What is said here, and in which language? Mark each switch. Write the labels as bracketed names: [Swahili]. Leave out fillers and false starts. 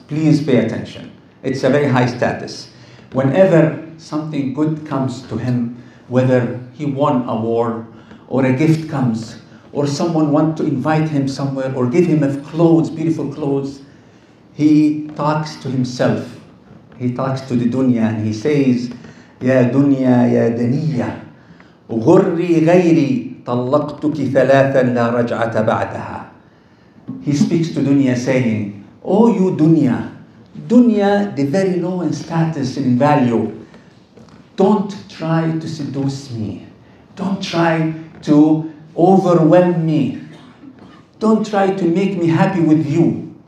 [English] Please pay attention. It's a very high status. Whenever something good comes to him, whether he won a war or a gift comes or someone wants to invite him somewhere or give him beautiful clothes, he talks to himself, he talks to the dunya and he says, [Arabic] يا دنيا يا دنيا غري غيري طلقتك ثلاثا لا رجعة بعدها. [English] He speaks to dunya saying, oh you dunya, dunya the very low in status and in value, don't try to seduce me, don't try to overwhelm me, don't try to make me happy with you.